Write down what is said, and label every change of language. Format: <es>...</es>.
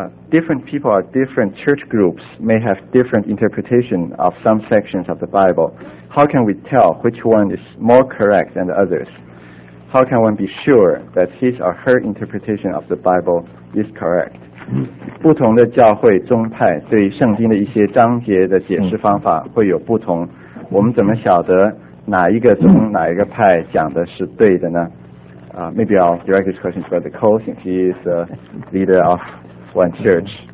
<en>Different people or different church groups may have different interpretation of some sections of the Bible. How can we tell which one is more correct than the others? How can one be sure that his or her interpretation of the Bible is correct?</en> <zh>不同的教会宗派对圣经的一些章节的解释方法会有不同。我们怎么晓得哪一个宗哪一个派讲的是对的呢？</zh> <en>Maybe I'll direct this question to Brother Cole since he is the leader of one church.</en>